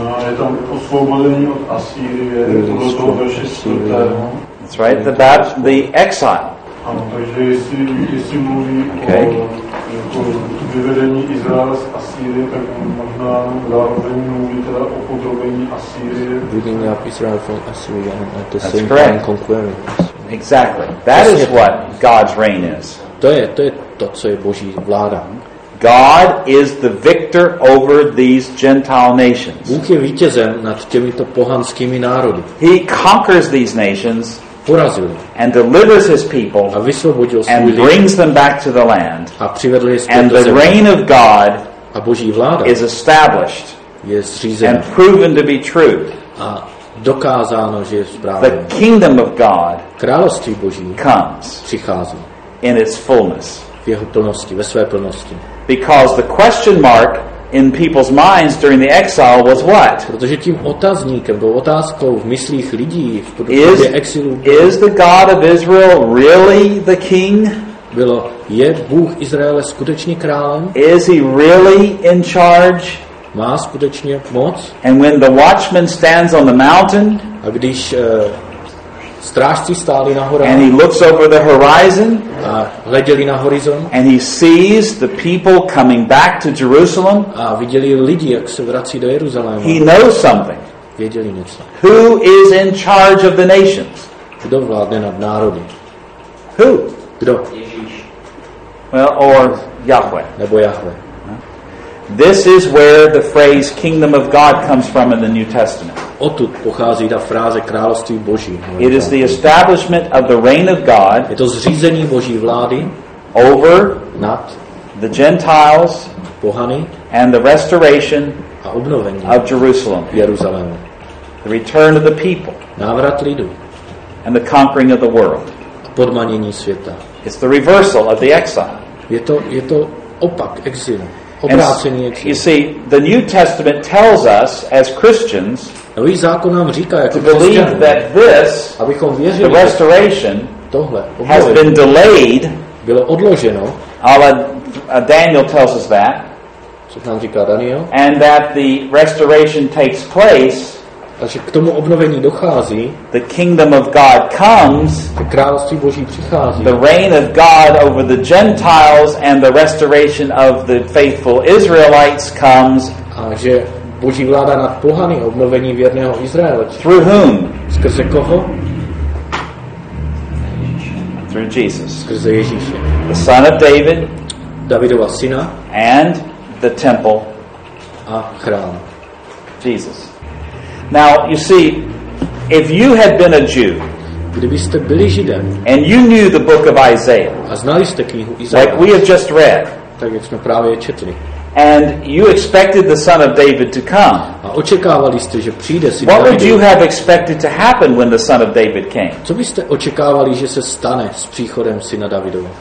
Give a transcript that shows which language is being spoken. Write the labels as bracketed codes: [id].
[cs] Je tam osvobození od Asýrie, to bylo toho verše 4. [en] That's right, the exile. [cs] Ano, takže jestli mluví o vyvedení Izraela z Asýrie, tak možná zároveň mluví teda o podrobení Asýrie. [en] Bringing up Israel from Assyria and at the same time conquering. Exactly. That is what God's reign is. [cs] To je to, co je Boží vláda. [en] God is the victor over these Gentile nations. [cs] Bůh je vítězem nad těmito pohanskými národy. [en] He conquers these nations. [cs] porazil. [en] And delivers his people [cs] a vysvobodil [en] and [cs] svůj [en] brings them back to the land. [cs] A přivedl je zpět [en] and [cs] do [en] the [cs] země. [en] Reign of God [cs] a Boží vláda [en] is established [cs] je zřízen [en] and proven to be true. [cs] A dokázáno, že je správně. [en] The kingdom of God [cs] království Boží [en] comes [cs] přichází [en] in its fullness. [cs] V jeho plnosti, ve své plnosti. [en] Because the question mark in people's minds during the exile was what? [cs] Protože tím otazníkem byl otázkou v myslích lidí v době exilu. [en] Is the God of Israel really the king? [cs] Bylo, je Bůh Izraele skutečně králem? [en] Is he really in charge? [cs] Má skutečně moc? [en] And when the watchman stands on the mountain, [cs] a když strážci stáli na horách, [en] and he looks over the horizon, [cs] a hleděli na horizont, [en] and he sees the people coming back to Jerusalem, [cs] a viděli lidi, jak se vrací do Jeruzaléma. [en] He knows something. [cs] Věděli něco. [en] Who is in charge of the nations? [cs] Kdo vládne nad národy? [en] Who? [cs] Kdo? Ježíš. [en] Well, or Yahweh. [cs] Nebo Yahweh. [en] This is where the phrase kingdom of God comes from in the New Testament. [cs] Odtud pochází ta fráze království Boží. [en] It is the establishment of the reign of God. [cs] Je to zřízení Boží vlády [en] over [cs] nad [en] the Gentiles, [cs] pohany, [en] and the restoration [cs] a obnovení [en] of Jerusalem, [cs] Jeruzaléma. [en] The return of the people, [cs] návrat lidu, [en] and the conquering of the world, [cs] podmanění světa. [en] It's the reversal of the exile. [cs] Je to opak exilu. [en] You see, the New Testament tells us as Christians [cs] Nový zákon nám říká, jako [en] to believe that this, [cs] abychom věřili, [en] the restoration, [cs] tohle, [en] has been delayed. [cs] Bylo odloženo. [en] Daniel tells us that. [cs] Co nám říká Daniel? [en] And that the restoration takes place. [cs] Takže k tomu obnovení dochází. [en] The kingdom of God comes. [cs] Království Boží přichází. [en] The reign of God over the Gentiles and the restoration of the faithful Israelites comes. [cs] A že Boží vláda nad pohany, obnovení věrného Izraele. [en] Through whom? [cs] Skrze koho? [en] Through Jesus. [cs] Skrze Ježíše. [en] The son of David. [cs] Davidova syna. [en] And the temple. [cs] A chrám. [en] Jesus. Now you see, if you had been a Jew, [cs] kdybyste byli Židem, [en] and you knew the book of Isaiah, [cs] a znali jste knihu Izaiáše, [en] like we have just read, [cs] tak jak jsme právě četli, [en] and you expected the son of David to come, [cs] a očekávali jste, že přijde syn Davidův, [en] what would you have expected to happen when the son of David came? [cs] Co byste očekávali, že se stane s příchodem syna Davidova?